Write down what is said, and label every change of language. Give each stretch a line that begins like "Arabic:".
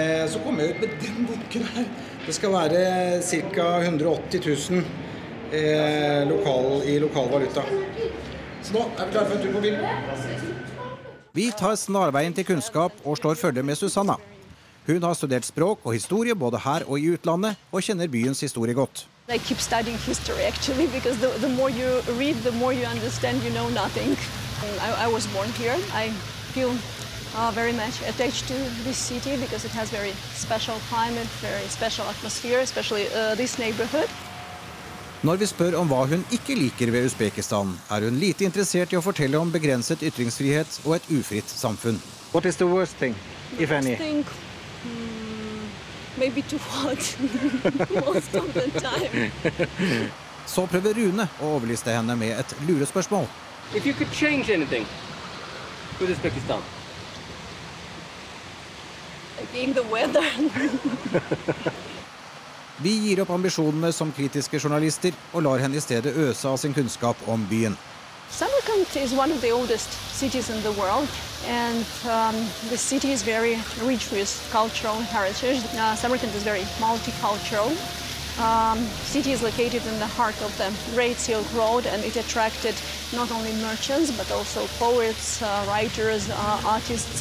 Norwegian: Så kom jeg ut med den bunken her. Det skal være cirka 180.000 i lokal valuta. Så nå vi klar for en tur på bil. Vi tar snarveien til kunnskap og slår følge med Susanna. Hun har studert språk og historie både her og i utlandet, og kjenner byens historie godt.
English: I keep studying history actually, because the more you read, the more you understand, you know nothing. I was born here. I feel very much attached to this city because it has very special climate, very special atmosphere, especially this neighborhood.
Norwegian: Når vi spør om hva hun ikke liker ved Usbekistan, hun lite interessert i å fortelle om begrenset ytringsfrihet og et ufritt samfunn.
English: What is the worst thing, if any? Worst thing, maybe too hot most of the time.
Norwegian: Så prøver Rune å overliste henne med et lurespørsmål.
English: If you could change anything with Uzbekistan, being the weather.
Norwegian: Vi gir opp ambisjonene som kritiske journalister og lar henne i stedet øse av sin kunnskap om byen.
English: Samarkand is one of the oldest cities in the world, and the city is very rich with cultural heritage. Samarkand is very multicultural. City is located in the heart of the Great Silk Road, and it attracted not only merchants but also poets, writers, artists.